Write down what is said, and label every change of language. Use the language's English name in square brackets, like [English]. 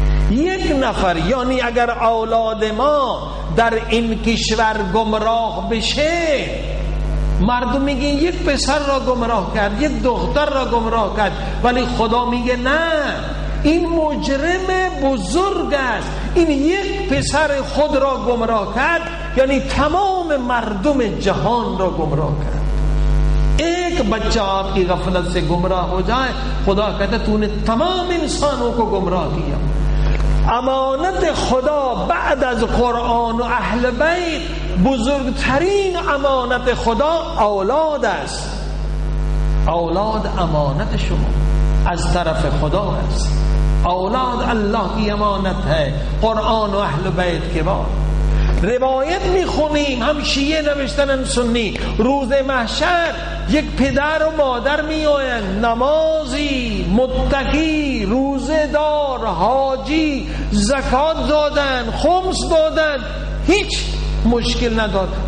[Persian] یک نفر یعنی اگر اولاد ما در این کشور گمراه بشه، مردم میگن یک پسر را گمراه کرد، یک دختر را گمراه کرد، ولی خدا میگه نه، این مجرم بزرگ است. این یک پسر خود را گمراه کرد، یعنی تمام مردم جهان را گمراه کرد. [Urdu] یک بچه آپ کی غفلت سے گمراه ہو جائے، خدا کہتا تو نے تمام انسانوں کو گمراه کیا. [Persian] امانت خدا بعد از قرآن و اهل بیت، بزرگترین امانت خدا اولاد است. اولاد امانت شما از طرف خدا است. [Urdu] اولاد الله کی امانت ہے، قرآن و اهل بیت کے بعد. [Persian] روایت میخونیم، هم شیعه نوشتن هم سنی، روز محشر یک پدر و مادر میآیند، نمازی، متقی، روزه دار، حاجی، زکات دادن، خمس دادن، هیچ مشکل ندارد.